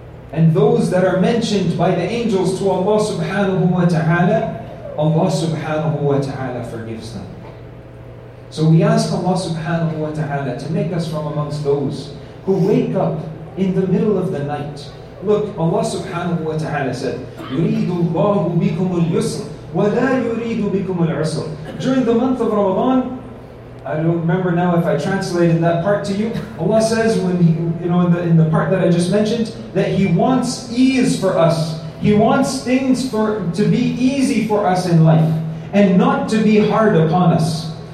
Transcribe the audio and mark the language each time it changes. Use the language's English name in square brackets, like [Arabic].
[English] And those that are mentioned by the angels to Allah subhanahu wa ta'ala, Allah subhanahu wa ta'ala forgives them. So we ask Allah subhanahu wa ta'ala to make us from amongst those who wake up in the middle of the night. Look, Allah subhanahu wa ta'ala said, [Arabic] يُرِيدُ اللَّهُ بِكُمُ الْيُسْرَ وَلَا يُرِيدُ بِكُمُ الْعُسْرَ. [English] During the month of Ramadan, I don't remember now if I translated that part to you, Allah says, when he, you know, in the part that I just mentioned, that He wants ease for us. He wants things to be easy for us in life and not to be hard upon us.